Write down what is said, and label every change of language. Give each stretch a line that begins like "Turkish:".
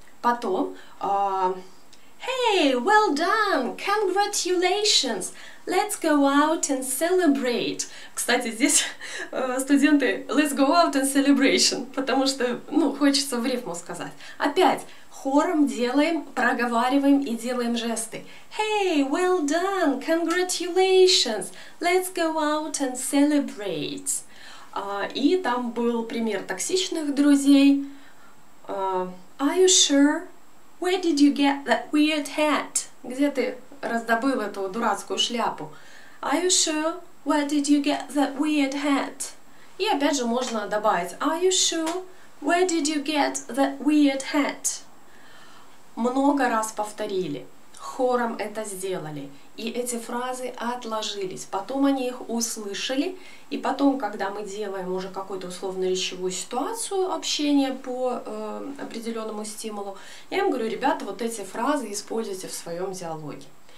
English: Потом, Hey, well done! Congratulations! Let's go out and celebrate!
Russian: Кстати, здесь студенты,
English: let's go out and celebration,
Russian: потому что, ну, хочется в рифму сказать. Опять! Хором делаем, проговариваем и делаем жесты.
English: Hey, well done, congratulations, let's go out and celebrate.
Russian: И там был пример токсичных друзей.
English: Are you sure? Where did you get that weird hat?
Russian: Где ты раздобыл эту дурацкую шляпу?
English: Are you sure? Where did you get that weird hat?
Russian: И опять же можно добавить.
English: Are you sure? Where did you get that weird hat?
Russian: Много раз повторили, хором это сделали, и эти фразы отложились. Потом они их услышали, и потом, когда мы делаем уже какую-то условно-речевую ситуацию общения по определенному стимулу, я им говорю, ребята, вот эти фразы используйте в своем диалоге.